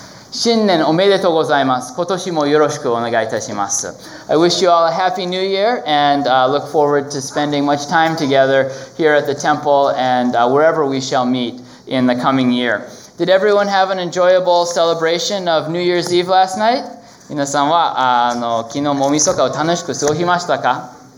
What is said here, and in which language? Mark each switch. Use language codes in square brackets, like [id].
[ja] 新年おめでとうございます。今年もよろしくお願いいたします。 [en] I wish you all a happy new year and look forward to spending much time together here at the temple and wherever we shall meet in the coming year. Did everyone have an enjoyable celebration of New Year's Eve last night? [ja] 皆さんは昨日もおみそかを楽しく過ごしましたか?